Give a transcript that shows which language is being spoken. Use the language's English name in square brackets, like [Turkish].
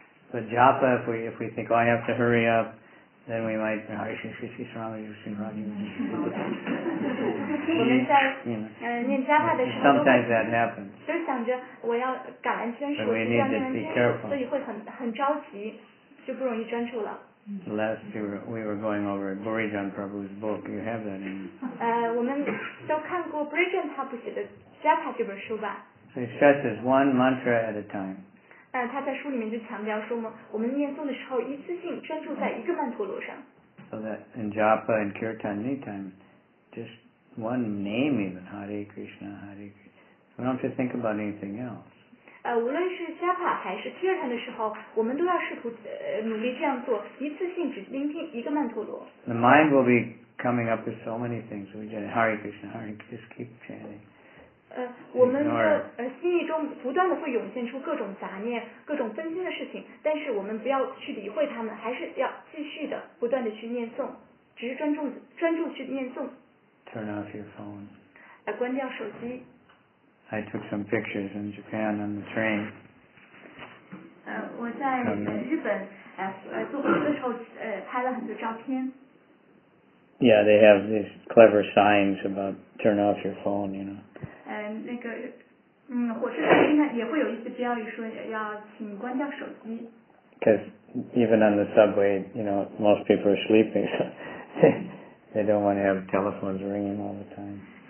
[English] But japa, if we think, oh, I have to hurry up, then we might, Hare Krishna, Krishna, Krishna, Krishna, Rama, Hare Krishna, Rama, Hare Krishna. Sometimes that happens. [Chinese] 就是想着我要感恩天使，我要感恩天使，所以会很着急，就不容易专注了。 [English] Last year we were going over Burijan Prabhu's book. You have that in. [Chinese] 我们都看过 Burijan Prabhu 写的 Japa 这本书吧。 [English] So he stresses one mantra at a time. [Chinese] 他在书里面就强调说嘛，我们念诵的时候一次性专注在一个曼陀罗上。 [English] So that in Japa and Kirtan anytime, just one name even Hare Krishna Hare. We don't have to think about anything else. [Chinese] 无论是 Japa 还是 Kirtan 的时候，我们都要试图努力这样做，一次性只聆听一个曼陀罗。 [English] The mind will be coming up with so many things. We just Hare Krishna, Hare Krishna, just keep chanting. [Chinese] 我们的心意中不断的会涌现出各种杂念、各种分心的事情，但是我们不要去理会他们，还是要继续的不断的去念诵，只是专注去念诵。 [English] Turn off your phone. [Chinese] 关掉手机。 [English] I took some pictures in Japan on the train. [Chinese] 我在日本坐火车的时候拍了很多照片。 [English] Yeah, they have these clever signs about turn off your phone, you know. Because even on the subway, you know, most people are sleeping, so they don't want to have telephones ringing all the time.